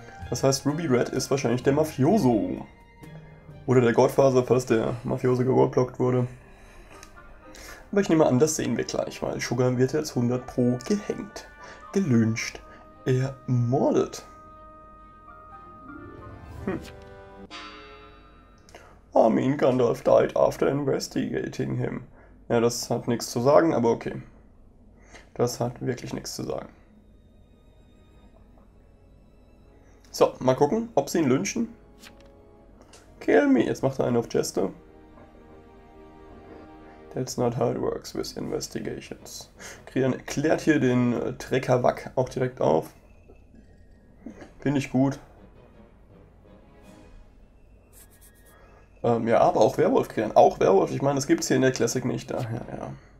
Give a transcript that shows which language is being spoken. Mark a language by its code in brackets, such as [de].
[de] Das heißt, Ruby Red ist wahrscheinlich der Mafioso. Oder der Godfather, falls der Mafioso geworblockt wurde. Aber ich nehme an, das sehen wir gleich, weil Sugar wird jetzt 100 pro gehängt, gelyncht, ermordet. [en] Armin Gandalf died after investigating him. [de] Ja, das hat nichts zu sagen, aber okay. Das hat wirklich nichts zu sagen. So, mal gucken, ob sie ihn lynchen. [en] Kill me. [de] Jetzt macht er einen auf Jester. [en] That's not how it works with investigations. [de] Krian erklärt hier den Trecker-Wack auch direkt auf. Finde ich gut. Ja, aber auch Werwolf Krian. Auch Werwolf, ich meine, das gibt es hier in der Classic nicht. Daher, ja.